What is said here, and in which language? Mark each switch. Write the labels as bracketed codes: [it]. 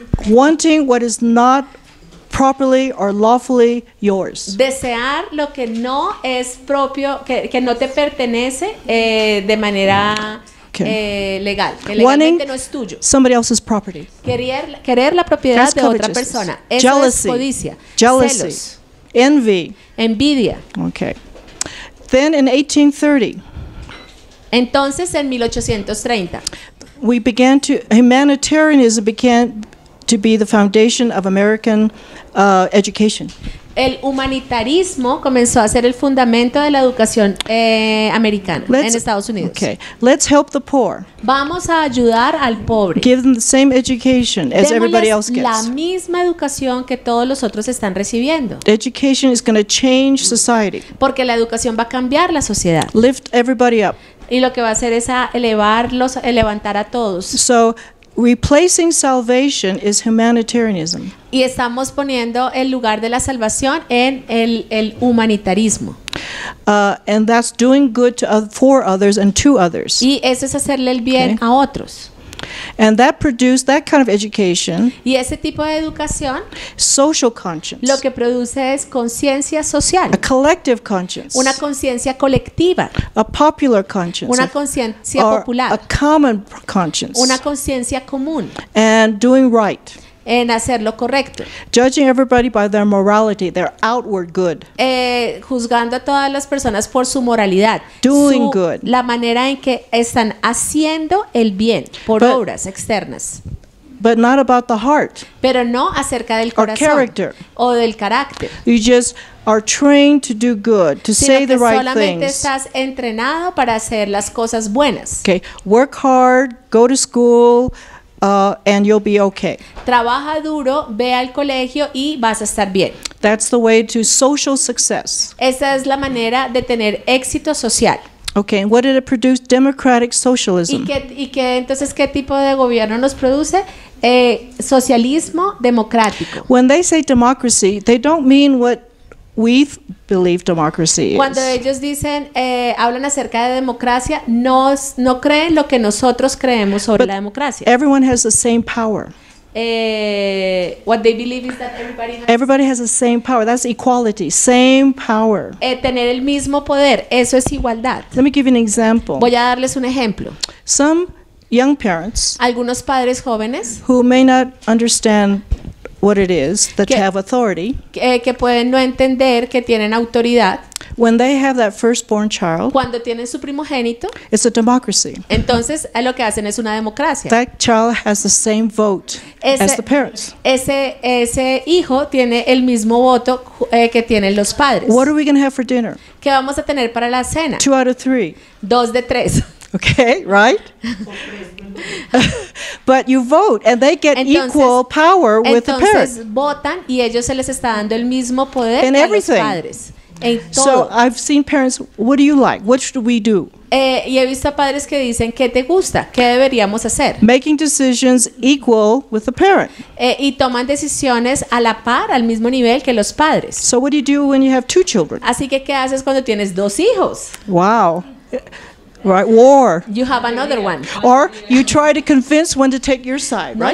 [en] Wanting what is not properly or lawfully yours. [es] Desear lo que no es propio, que no te pertenece de manera okay. Legal, que legalmente [en] wanting [es] no es tuyo. [en] Somebody else's property. [es] Querer la propiedad de otra persona. Eso [en] jealousy. [es] Es codicia. [en] Jealousy. [es] Celos. [en] Envy. [es] Envidia. [en] Okay. Then in 1830. [es] Entonces en 1830. [en] We began to humanitarianism began to be the foundation of American education. [es] El humanitarismo comenzó a ser el fundamento de la educación americana en Estados Unidos. [en] Okay. Let's help the poor. [es] Vamos a ayudar al pobre. [en] Give them the same education as everybody else gets. [es] La misma educación que todos los otros están recibiendo. [en] Education is going to change society. [es] Porque la educación va a cambiar la sociedad. [en] Lift everybody up. [es] Y lo que va a hacer es levantar a todos. [en] So replacing salvation is humanitarianism. [es] Y estamos poniendo el lugar de la salvación en el humanitarismo. [en] And that's doing good for others and to others. [es] Y eso es hacerle el bien okay. a otros. [en] And that produced that kind of education. [es] Y ese tipo de educación. [en] Social conscience. [es] Lo que produce es conciencia social. [en] A collective conscience. [es] Una conciencia colectiva. [en] A popular conscience. [es] Una conciencia popular. [en] A common conscience. [es] Una conciencia común. [en] And doing right. [es] En hacer lo correcto. [en] Judging everybody by their morality, their outward good. [es] Juzgando a todas las personas por su moralidad. [en] Doing good. [es] La manera en que están haciendo el bien por obras externas. [en] But not about the heart. [es] Pero no acerca del corazón. [en] Or character. [es] O del carácter. [en] You just are trained to do good, to say the right things. [es] Sino que solamente estás entrenado para hacer las cosas buenas. [en] Okay. Work hard, go to school. And you'll be okay. [es] Trabaja duro, ve al colegio y vas a estar bien. [en] That's the way to social success. [es] Esa es la manera de tener éxito social. [en] Okay, and what did it produce? Democratic socialism. [es] ¿Y qué entonces qué tipo de gobierno nos produce? Socialismo democrático. [en] When they say democracy, they don't mean what we believe democracy is. [es] Cuando ellos dicen, hablan acerca de democracia, no creen lo que nosotros creemos sobre [en] but [es] la democracia. [en] Everyone has the same power. What they believe is that everybody has the same power. That's equality. Same power. [es] Tener el mismo poder, eso es igualdad. [en] Let me give you an example. [es] Voy a darles un ejemplo. [en] Some young parents, [es] algunos padres jóvenes, [en] who may not understand what it is that to have authority. [es] Que pueden no entender que tienen autoridad. [en] When they have that firstborn child, [es] cuando tienen su primogénito, [en] it's a democracy. [es] Entonces, lo que hacen es una democracia. [en] That child has the same vote as the parents. [es] Ese hijo tiene el mismo voto que tienen los padres. [en] What are we going to have for dinner? [es] ¿Qué vamos a tener para la cena? [en] Two out of three. [es] Dos de tres. [en] Okay, right? But you vote and they get [es] entonces, [en] equal power with the parents. [es] Entonces votan y ellos se les está dando el mismo poder que a los padres. En todo. [en] So I've seen parents, what do you like? What should we do? [es] Y he visto padres que dicen, ¿qué te gusta? ¿Qué deberíamos hacer? [en] Making decisions equal with the parent. [es] Y toman decisiones a la par, al mismo nivel que los padres. [en] So what do you do when you have two children? [es] Así que, ¿qué haces cuando tienes dos hijos? [en] Wow. Right, war. You have another one. Or you try to convince one to take your side, right?